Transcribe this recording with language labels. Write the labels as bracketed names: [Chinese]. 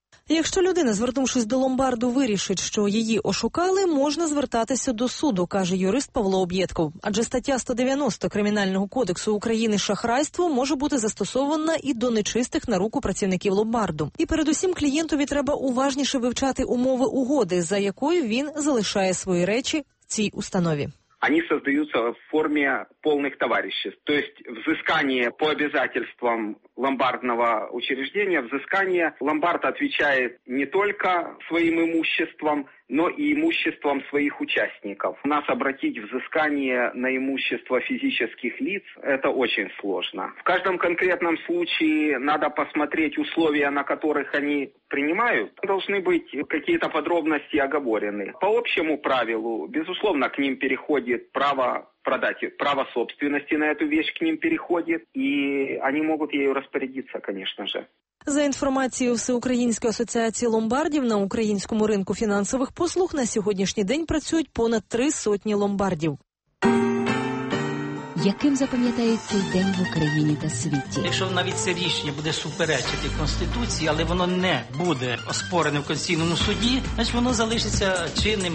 [Ukrainian] Якщо людина, звернувшись до ломбарду, вирішить, що її ошукали, можна звертатися до суду, каже юрист Павло Об'єдков. Адже стаття 190 Кримінального кодексу України «Шахрайство» може бути застосована і до нечистих на руку працівників ломбарду. І передусім клієнтові треба уважніше вивчати умови угоди, за якою він залишає свої речі в цій установі. [Russian] Они создаются в форме полных товариществ. То есть взыскание по обязательствам ломбардного учреждения, взыскание, ломбард отвечает не только своим имуществом, но и имуществом своих участников. У нас обратить взыскание на имущество физических лиц – это очень сложно. В каждом конкретном случае надо посмотреть условия, на которых они принимают. Должны быть какие-то подробности оговорены. По общему правилу, безусловно, к ним переходит право продать, право собственности на эту вещь к ним переходит, и они могут ею распорядиться, конечно же. [Ukrainian] За інформацією Всеукраїнської асоціації ломбардів, на українському ринку фінансових послуг на сьогоднішній день працюють понад 300 ломбардів. Яким запам'ятається цей день в Україні та світі? Якщо навіть це рішення буде суперечити Конституції, але воно не буде оспорене в Конституційному суді, значить воно залишиться чинним.